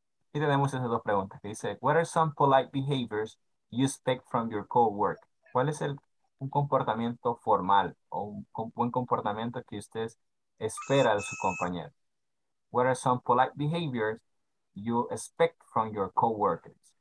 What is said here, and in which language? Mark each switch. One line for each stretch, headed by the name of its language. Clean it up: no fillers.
Spanish: Okay. Y tenemos esas dos preguntas. Dice,
English: what are some polite behaviors you expect from your co-work?
Spanish: ¿Cuál es un comportamiento formal o un buen comportamiento que usted espera de su compañero?
English: What are some polite behaviors you expect from your co-workers?